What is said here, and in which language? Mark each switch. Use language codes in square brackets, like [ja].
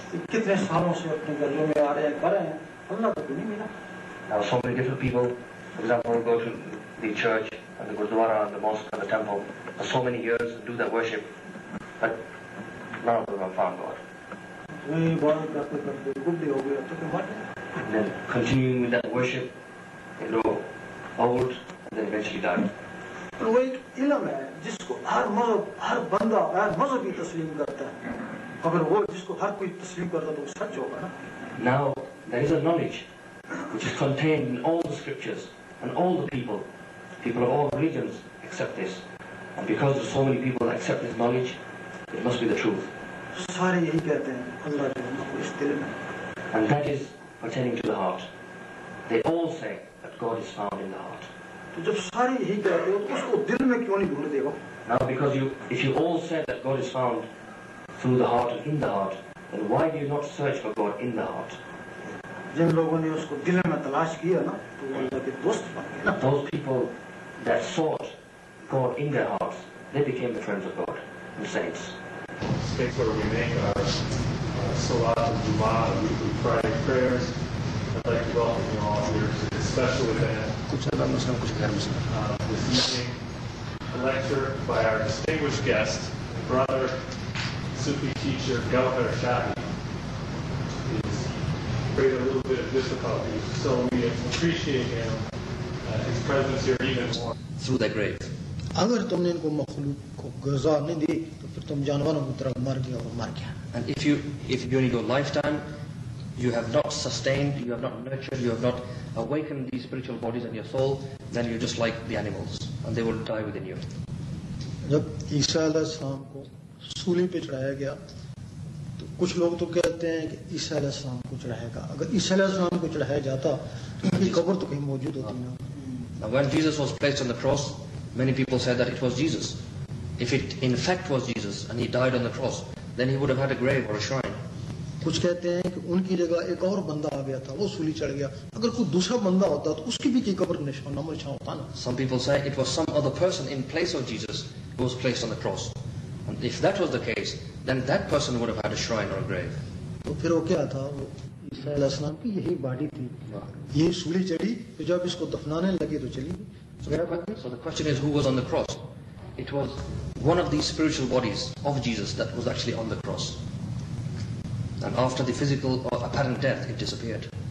[en] Now so many different people, for example, go to the church and the gurdwara and the mosque and the temple for so many years and do their worship, but none of them have found God. And then continuing with that worship, they grow old and then eventually die. [ur] پر وہ ایک علم ہے جس کو ہر مذہب, ہر بندہ, ہر مذہب ہی تسلیم کرتا ہے. اگر وہ جس کو ہر کوئی تسلیم کرتا تو وہ سچ ہوگا نا. [en] Now there is a knowledge which is contained in all the scriptures and all the people, people of all religions accept this. And because there's so many people that accept this knowledge, it must be the truth. [ur] سارے یہی کہتے ہیں اللہ جو ہم کو اس دل میں. [en] And that is pertaining to the heart. They all say that God is found in the heart. [ur] جب سارے یہی کہتے ہو تو اس کو دل میں کیوں نہیں ڈھونڈتے ہو؟ [en] Now because you, if you all said that God is found through the heart and in the heart, then why do you not search for God in the heart? [ur] جن لوگوں نے اس کو دل میں تلاش کیا نا تو وہ اللہ کے دوست بن گئے نا. [en] Those people that sought God in their hearts, they became the friends of God and saints. People remain Salat, Jumaat, weekly Friday prayers. I'd like to welcome you all here to this special event. This evening, a lecture by our distinguished guest, brother, Sufi teacher, Gohar Shahi. He's created a little bit of difficulty, so we appreciate him, his presence here even more. Through the grave. [ur] اگر تم نے ان کو مخلوق کو غذا نہیں دی تو پھر تم جانوروں کی طرح مر گیا اور مر گیا. [en] And if you in your lifetime you have not sustained, you have not nurtured, you have not awakened these spiritual bodies and your soul, then you're just like the animals and they will die within you. [ur] جب عیسیٰ علیہ السلام کو سولی پہ چڑھایا گیا تو کچھ لوگ تو کہتے ہیں کہ عیسیٰ علیہ السلام کو چڑھائے گا, اگر عیسیٰ علیہ السلام کو چڑھایا جاتا تو ان کی قبر تو کہیں موجود ہوتی نہ. [en] Now when Jesus was placed on the cross, many people said that it was Jesus. If it in fact was Jesus and he died on the cross, then he would have had a grave or a shrine. [ur] کچھ کہتے ہیں کہ ان کی جگہ ایک اور بندہ آ گیا تھا, وہ سولی چڑھ گیا, اگر کوئی دوسرا بندہ ہوتا تو اس کی بھی قبر نشان نشان ہوتا نا. [en] Some people say it was some other person in place of Jesus who was placed on the cross. And if that was the case, then that person would have had a shrine or a grave. [ur] تو پھر وہ کیا تھا, وہ عیسیٰ علیہ السلام کی یہی باڈی تھی, یہی سولی چڑھی, تو جب اس کو دفنانے لگے تو چلی. [en] So the question is, who was on the cross? It was one of these spiritual bodies of Jesus that was actually on the cross. And after the physical or apparent death, it disappeared.